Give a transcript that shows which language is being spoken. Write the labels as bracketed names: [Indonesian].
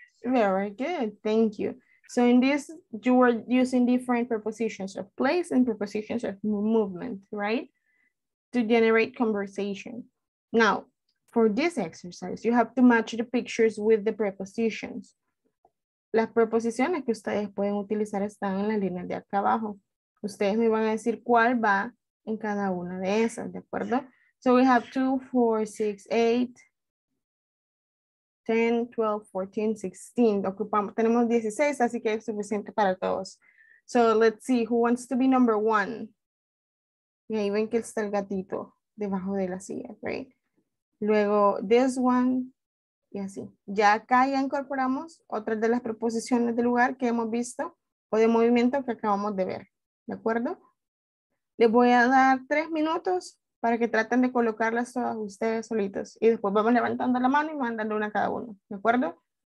[English] Very good, thank you. So in this, you were using different prepositions of place and prepositions of movement, right? To generate conversation. Now, for this exercise, you have to match the pictures with the prepositions. [Spanish] Las preposiciones que ustedes pueden utilizar están en la línea de acá abajo. Ustedes me van a decir cuál va en cada una de esas, ¿de acuerdo? [English] So we have 2, 4, 6, 8, 10, 12, 14, 16. [Spanish] Ocupamos, tenemos 16, así que es suficiente para todos. [English] So let's see who wants to be number one. [Spanish] Y ahí ven que está el gatito debajo de la silla, right? Luego, [English] this one, [Spanish] y así. Ya acá ya incorporamos otras de las preposiciones de lugar que hemos visto o de movimiento que acabamos de ver, ¿de acuerdo? Les voy a dar 3 minutos para que traten de colocarlas todas ustedes solitos y después vamos levantando la mano y mandando una a cada uno, ¿de acuerdo?